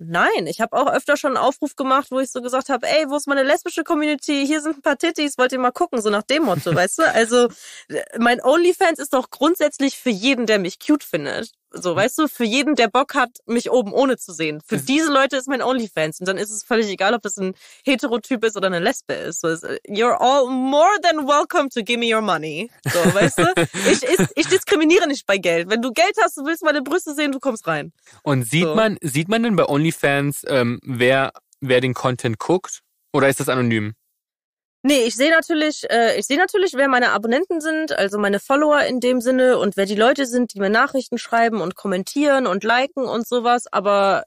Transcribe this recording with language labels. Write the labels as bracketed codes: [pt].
[de] Nein, ich habe auch öfter schon einen Aufruf gemacht, wo ich so gesagt habe, ey, wo ist meine lesbische Community? Hier sind ein paar Tittis, wollt ihr mal gucken? So nach dem Motto, weißt du? Also mein OnlyFans ist doch grundsätzlich für jeden, der mich cute findet. So, weißt du, für jeden, der Bock hat, mich oben ohne zu sehen. Für diese Leute ist mein OnlyFans. Und dann ist es völlig egal, ob das ein Heterotyp ist oder eine Lesbe ist. [en] So, you're all more than welcome to give me your money. [de] So, weißt du? Ich diskriminiere nicht bei Geld. Wenn du Geld hast, du willst meine Brüste sehen, du kommst rein. Und sieht man denn bei OnlyFans, wer den Content guckt? Oder ist das anonym? Nee, ich sehe natürlich, wer meine Abonnenten sind, also meine Follower in dem Sinne und wer die Leute sind, die mir Nachrichten schreiben und kommentieren und liken und sowas, aber